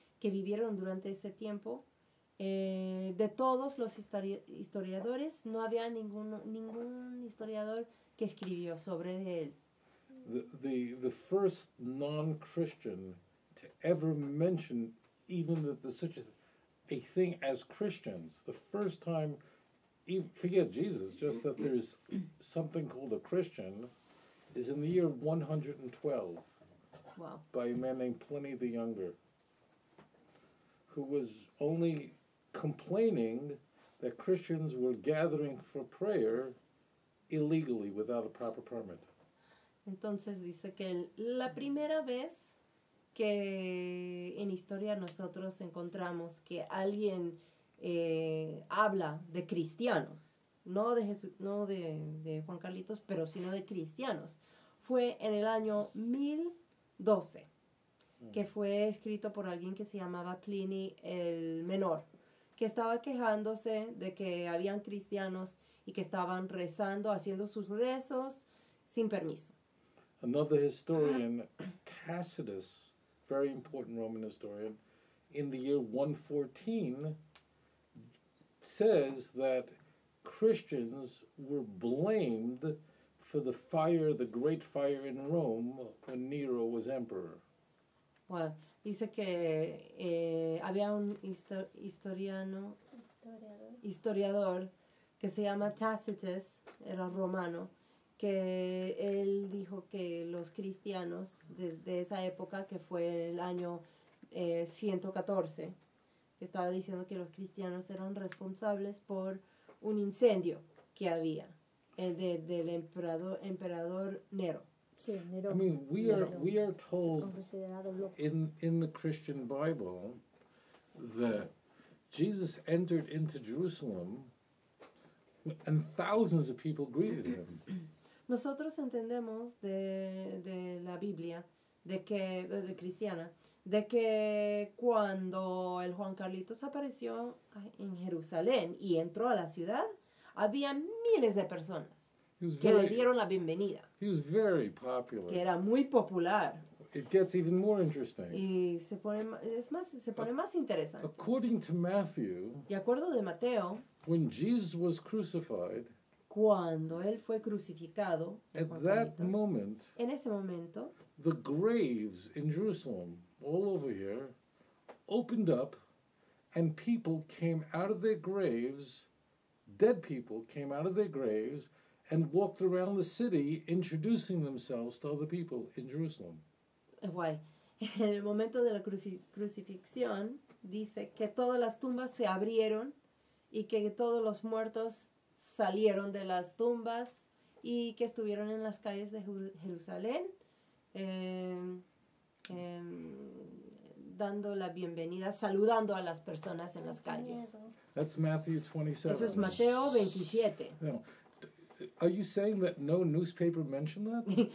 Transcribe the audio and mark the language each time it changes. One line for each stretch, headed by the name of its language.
Spanish: que vivieron durante ese tiempo, de todos los historiadores, no había ningún historiador que escribió sobre él.
English: The first non-Christian to ever mention even that there's such a thing as Christians, the first time, even, forget Jesus, just that there's something called a Christian, is in the year 112. Wow. By a man named Pliny the Younger, who was only... complaining that Christians were gathering for prayer illegally without a proper permit.
Spanish: Entonces dice que la primera vez que en historia nosotros encontramos que alguien habla de cristianos, no de Jesús, no de Juan Carlitos, pero sino de cristianos, fue en el año 1012, que fue escrito por alguien que se llamaba Pliny el Menor, que estaba quejándose de que habían cristianos y que estaban rezando, haciendo sus rezos sin permiso.
English: Another historian, Tacitus, very important Roman historian, in the year 114, says that Christians were blamed for the fire, the great fire in Rome when Nero was emperor.
Spanish: Well, dice que había un historiano historiador que se llama Tacitus, era romano, que él dijo que los cristianos desde esa época, que fue el año 114, que estaba diciendo que los cristianos eran responsables por un incendio que había, del emperador Nero. Sí, Nero.
English: I mean, we are told in the Christian Bible that Jesus entered into Jerusalem and thousands of people greeted him.
Spanish: Nosotros entendemos de la Biblia, de cristiana, de que cuando el Juan Carlitos apareció en Jerusalén y entró a la ciudad, había miles de personas que le dieron la bienvenida.
English: He was very popular.
Spanish: Que era muy popular.
English: It gets even more interesting.
Spanish: Y se pone más interesante.
English: According to Matthew,
Spanish: de acuerdo de Mateo,
English: when Jesus was crucified,
Spanish: cuando él fue crucificado,
English: at that moment,
Spanish: en ese momento,
English: the graves in Jerusalem, all over here, opened up, and people came out of their graves, dead people came out of their graves, and walked around the city introducing themselves to other people in Jerusalem. Why?
Spanish: En el momento de la crucifixión, dice que todas las tumbas se abrieron y que todos los muertos salieron de las tumbas y que estuvieron en las calles de Jerusalén dando la bienvenida, saludando a las personas en las calles.
English: That's Matthew 27.
Spanish: Eso es Mateo 27.
English: Are you saying that no newspaper mentioned that?